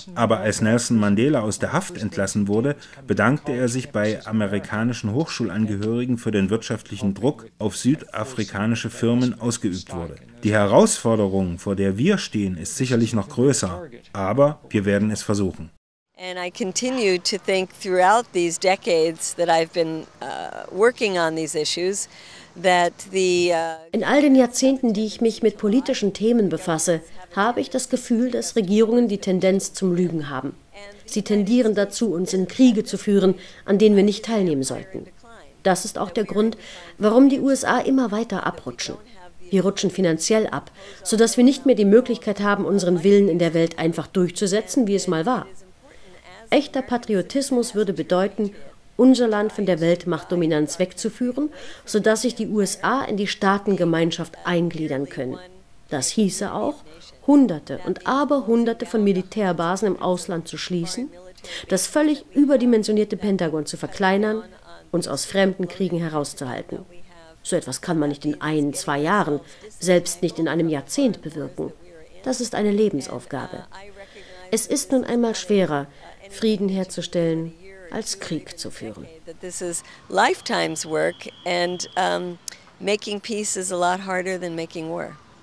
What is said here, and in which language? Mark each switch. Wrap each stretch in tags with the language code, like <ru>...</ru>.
<de>Aber als Nelson Mandela aus der Haft entlassen wurde, bedankte er sich bei amerikanischen Hochschulangehörigen für den wirtschaftlichen Druck auf südafrikanische Firmen ausgeübt wurde. Die Herausforderung, vor der wir stehen, ist sicherlich noch größer, aber wir werden es versuchen.</de> <en>And I continue to think throughout these decades that I've been working on these issues that the</en> <de>In all den Jahrzehnten, die ich mich mit politischen Themen befasse, habe ich das Gefühl, dass Regierungen die Tendenz zum Lügen haben. Sie tendieren dazu, uns in Kriege zu führen, an denen wir nicht teilnehmen sollten. Das ist auch der Grund, warum die USA immer weiter abrutschen. Wir rutschen finanziell ab, sodass wir nicht mehr die Möglichkeit haben, unseren Willen in der Welt einfach durchzusetzen, wie es mal war. Echter Patriotismus würde bedeuten, unser Land von der Weltmachtdominanz wegzuführen, sodass sich die USA in die Staatengemeinschaft eingliedern können. Das hieße auch, Hunderte und Aberhunderte von Militärbasen im Ausland zu schließen, das völlig überdimensionierte Pentagon zu verkleinern, uns aus fremden Kriegen herauszuhalten. So etwas kann man nicht in 1-2 Jahren, selbst nicht in einem Jahrzehnt bewirken. Das ist eine Lebensaufgabe. Es ist nun einmal schwerer, Frieden herzustellen, als Krieg zu führen.</de> <en>This is lifetime's work and making peace is a lot harder than making war.</en>